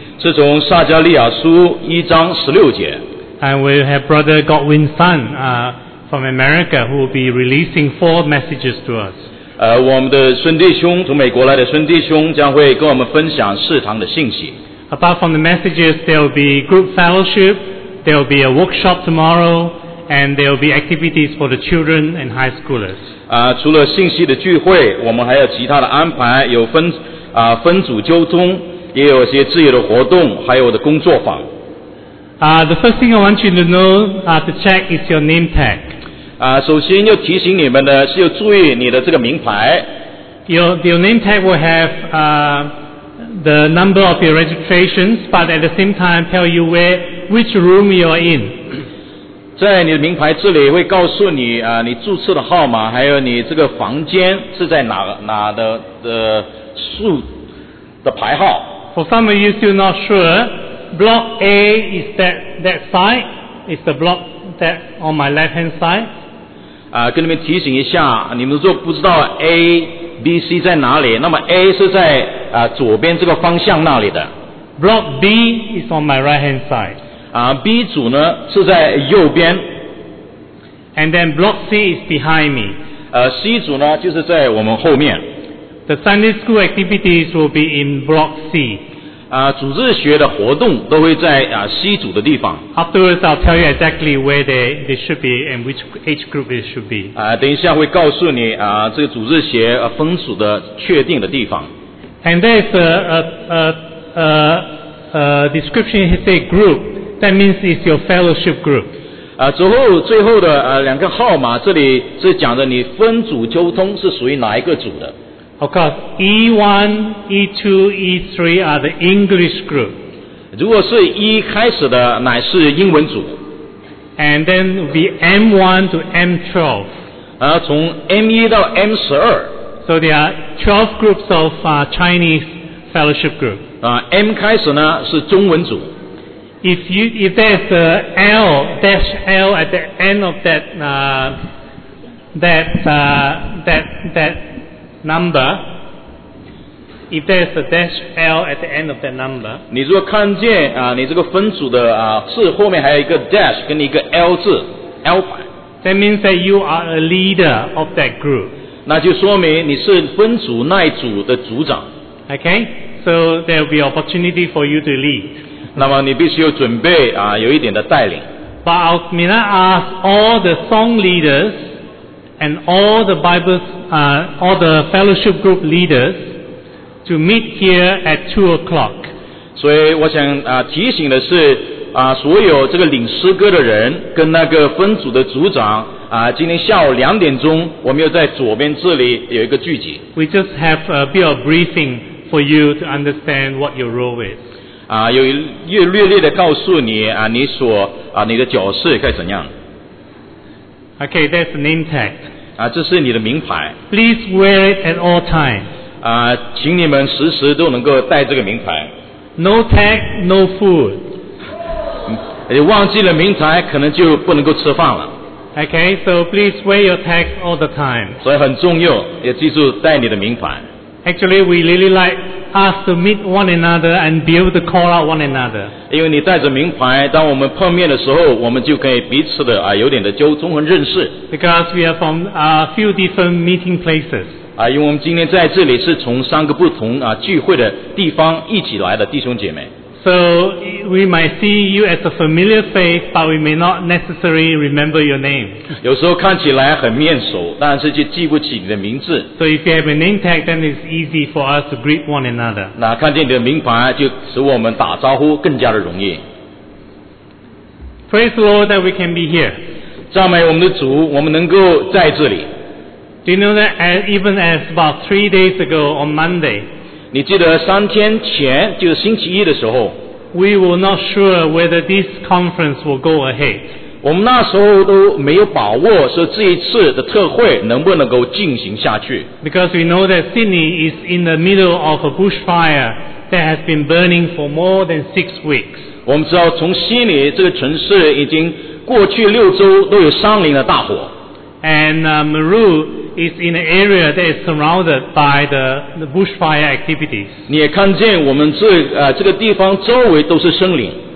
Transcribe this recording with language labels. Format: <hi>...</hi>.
<zh>是从撒加利亚书一章十六节。</zh> <en>And we have Brother Godwin Sun, from America, who will be releasing four messages to us.</en> <zh>我们的孙弟兄，从美国来的孙弟兄，将会跟我们分享四堂的信息。</zh> <en>Apart from the messages, there will be group fellowship, there will be a workshop tomorrow, and there will be activities for the children and high schoolers.</en> <zh>除了信息的聚会，我们还有其他的安排，有分组纠通，也有一些自由的活动，还有我的工作坊。</zh> <en>The first thing I want you to know, to check is your name tag.</en> <zh>首先要提醒你们的是要注意你的这个名牌。</zh> <en>Your name tag will have, the number of your registrations, but at the same time tell you which room you are in.</en> <zh>在你的名牌这里会告诉你，你注册的号码，还有你这个房间是在哪的数的排号。</zh> <en>For some of you still not sure,Block A is that side, is the block that on my left hand side.</en> <zh>跟你们提醒一下，你们如果不知道 A、B、C 在哪里，那么 A 是在左边这个方向那里的。</zh> <en>Block B is on my right hand side.</en> <zh>B 组呢是在右边。</zh> <en>And then Block C is behind me.</en> <zh>C 组呢就是在我们后面。</zh> <en>The Sunday school activities will be in Block C.</en> <zh>主日学的活动都会在C 组的地方。</zh> <en>Afterwards, I'll tell you exactly where they should be and which age group it should be.</en> <zh>等一下会告诉你这个主日学分组的确定的地方。</zh> <en>And there's a description. It's a group. That means it's your fellowship group.</en> <zh>最后的两个号码这里是讲的你分组交通是属于哪一个组的。</zh> <en>Of course, E1, E2, E3 are the English group.</en> <zh>如果是 E 开始的乃是英文组。</zh> <en>And then be M1 to M12.</en> <zh>从 M1 到 M12.</zh> <en>So there are 12 groups of Chinese fellowship group.</en> <zh>M 开始呢是中文组。</zh> <en>If there's a L at the end of that number, if there is a dash L at the end of that number,</en> <zh>你如果看见你这个分组的字后面还有一个 dash 跟一个 L 字 L 牌，</zh> <en>that means that you are a leader of that group.</en> <zh>那就说明你是分组那一组的组长。</zh> <en>Okay, so there will be opportunity for you to lead.</en> <zh>那么你必须要准备有一点的带领。</zh> <en>But may I ask all the song leaders and all the Bibles? All the fellowship group leaders to meet here at 2:00.</en> <zh>所以我想提醒的是所有这个领诗歌的人跟那个分组的组长今天下午2:00，我们又在左边这里有一个聚集。</zh> <en>We just have a bit of briefing for you to understand what your role is.</en> <zh>有略略的告诉你你的角色该怎样。</zh> <en>Okay, that's the name tag.</en> <zh>这是你的名牌。</zh> <en>Please wear it at all times.</en> <zh>请你们时时都能够带这个名牌。</zh> <en>No tag, no food.</en> <zh>你忘记了名牌，可能就不能够吃饭了。</zh> <en>Okay, so please wear your tag all the time.</en> <zh>所以很重要，也记住带你的名牌。</zh> <en>Actually, we really like us to meet one another and be able to call out one another.</en> <zh>因为你带着名牌，当我们碰面的时候，我们就可以彼此的有点的交通和认识。</zh> <en>Because we are from a few different meeting places.</en> <zh>因为我们今天在这里是从三个不同聚会的地方一起来的弟兄姐妹。</zh> <en>So we might see you as a familiar face, but we may not necessarily remember your name.</en> <zh>有时候看起来很面熟，但是却记不起你的名字。</zh> <en>So if you have a name tag, then it's easy for us to greet one another.</en> <zh>那看见你的名牌，就使我们打招呼更加的容易。</zh> <en>Praise the Lord that we can be here.</en> <zh>赞美我们的主，我们能够在这里。</zh> <en>Do you know that even as about 3 days ago on Monday?</en> <zh>你记得三天前就是星期一的时候</zh> <en>，We were not sure whether this conference will go ahead.</en> <zh>我们那时候都没有把握说这一次的特会能不能够进行下去。</zh> <en>Because we know that Sydney is in the middle of a bushfire that has been burning for more than 6 weeks.</en> <zh>我们知道从悉尼这个城市已经过去6周都有山林的大火。</zh> <en>And Maru is in an area that is surrounded by the bushfire activities.</en> <zh>你也看见我们这个地方周围都是森林。</zh>